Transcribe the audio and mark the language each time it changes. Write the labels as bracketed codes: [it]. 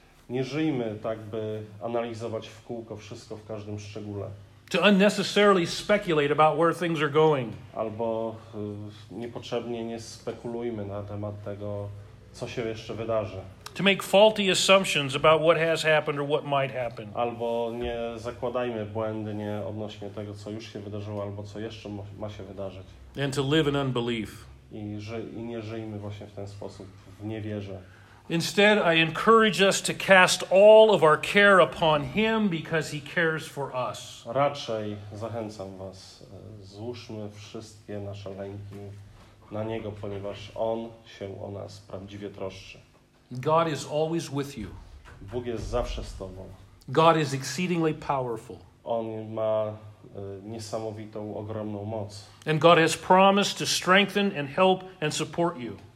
[pl] Nie żyjmy tak, by analizować w kółko wszystko w każdym szczególe. [en] To unnecessarily speculate about where things are going. [pl] Albo niepotrzebnie nie spekulujmy na temat tego, co się jeszcze wydarzy. [en] To make faulty assumptions about what has happened or what might happen. [pl] Albo nie zakładajmy błędnie odnośnie tego, co już się wydarzyło, albo co jeszcze ma się wydarzyć. [en] And to live in unbelief. [pl] I nie żyjmy właśnie w ten sposób, w niewierze. [en] Instead, I encourage us to cast all of our care upon Him because He cares for us. [pl] Raczej zachęcam was, złóżmy wszystkie nasze lęki na Niego, ponieważ On się o nas prawdziwie troszczy. [en] God is always with you. [pl] Bóg jest zawsze z tobą. [en] God is exceedingly powerful. [pl] On ma niesamowitą, ogromną moc. [en] And God has promised to strengthen and help and support you.